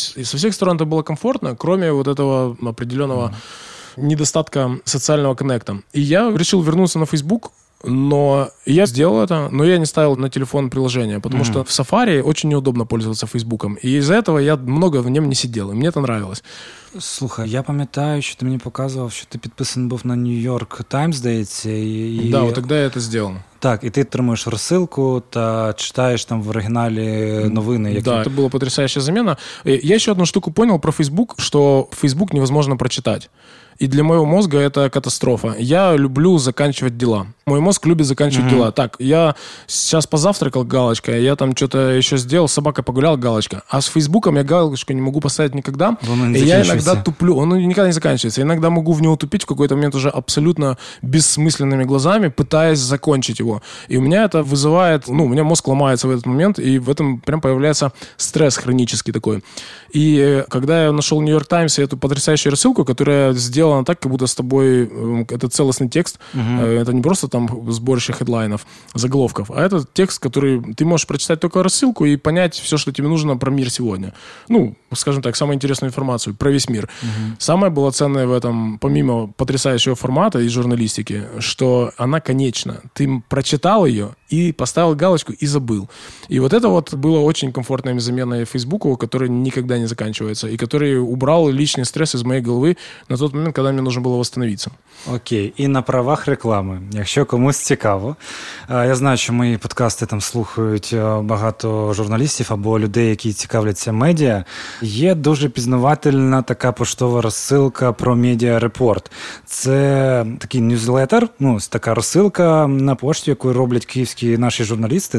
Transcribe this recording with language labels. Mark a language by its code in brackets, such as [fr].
[ru] То есть со всех сторон это было комфортно, кроме вот этого определенного недостатка социального коннекта. И я решил вернуться на Facebook. Но я сделал это, но я не ставил на телефон приложение, потому что в Safari очень неудобно пользоваться Фейсбуком. И из-за этого я много в нем не сидел, и мне это нравилось. [uk] Слухай, я пам'ятаю, що ти мені показував, що ти підписаний був на New York Times, здається. І... Да, от тоді я це зробив. Так, і ти отримуєш розсилку та читаєш там в оригіналі новини. Які... Да, це була потрясаюча заміна. Я ще одну штуку зрозумів про Facebook, що Facebook невозможно прочитати. І для моєго мозку це катастрофа. Я люблю закінчувати діла. Мой мозг любить закінчувати діла. Так, я зараз позавтракав, галочка, я там щось ще зробив, собака погуляв, галочка. А з Фейсбуком я галочку не можу поставити ніколи. [ru] Иногда туплю, оно никогда не заканчивается. Иногда могу в него тупить в какой-то момент уже абсолютно бессмысленными глазами, пытаясь закончить его. И у меня это вызывает, ну, у меня мозг ломается в этот момент, и в этом прям появляется стресс хронический такой. И когда я нашел New York Times и эту потрясающую рассылку, которая сделана так, как будто с тобой это целостный текст, это не просто там там сборище хедлайнов, заголовков. А это текст, который ты можешь прочитать только рассылку и понять все, что тебе нужно про мир сегодня. Ну, скажем так, самую интересную информацию про весь мир. Угу. Самое было ценное в этом, помимо потрясающего формата и журналистики, что она конечна. Ты прочитал ее и поставил галочку и забыл. И вот это вот было очень комфортной заменой Фейсбуку, который никогда не заканчивается, и который убрал лишний стресс из моей головы на тот момент, когда мне нужно было восстановиться. [uk] Окей, і на правах реклами, якщо комусь цікаво, я знаю, що мої подкасти там слухають багато журналістів або людей, які цікавляться медіа, є дуже пізнавательна така поштова розсилка про Media Report. Це такий ньюзлетер, ну, така розсилка на пошті, яку роблять київські наші журналісти.